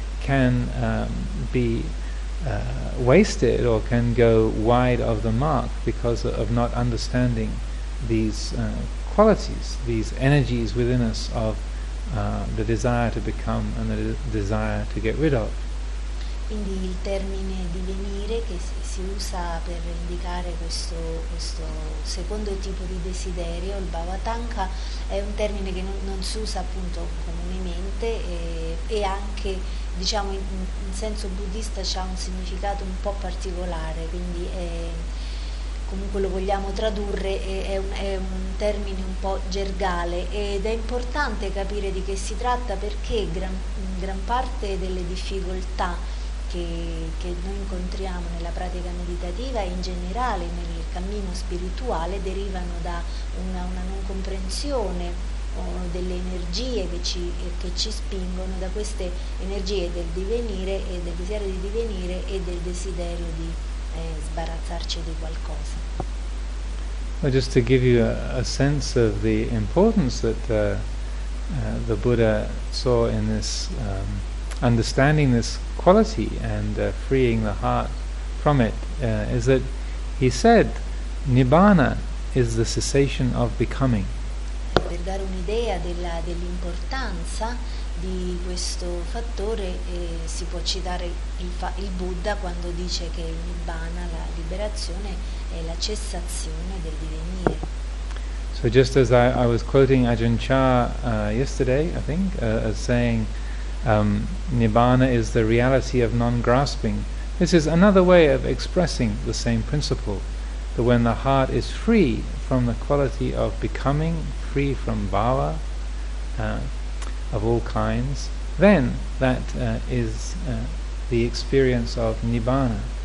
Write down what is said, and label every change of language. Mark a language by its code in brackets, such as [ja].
[en] can be wasted or can go wide of the mark because of not understanding these qualities, these energies within us of the desire to become and the desire to get rid of. [it] Quindi il termine divenire che si usa per indicare questo secondo tipo di desiderio, il bhavatanka, è un termine che non si usa appunto comunemente e anche, diciamo, in senso buddista c'ha un significato un po' particolare, quindi è, comunque lo vogliamo tradurre, è un termine un po' gergale ed è importante capire di che si tratta perché gran parte delle difficoltà che noi incontriamo nella pratica meditativa e in generale nel cammino spirituale derivano da una non comprensione delle energie che ci spingono, da queste energie del divenire e del desiderio di divenire e del desiderio di sbarazzarci di qualcosa. [en] Well, just to give you a sense of the importance that the Buddha saw in this understanding this quality and freeing the heart from it, is that he said Nibbana is the cessation of becoming. [it] Per dare un'idea dell'importanza di questo fattore si può citare il Buddha quando dice che il Nibbana, la liberazione, è la cessazione del divenire. [en] So just as I was quoting Ajahn Chah yesterday, I think, as saying Nibbana is the reality of non-grasping. This is another way of expressing the same principle, that when the heart is free from the quality of becoming, free from bhava of all kinds, then that is the experience of Nibbana.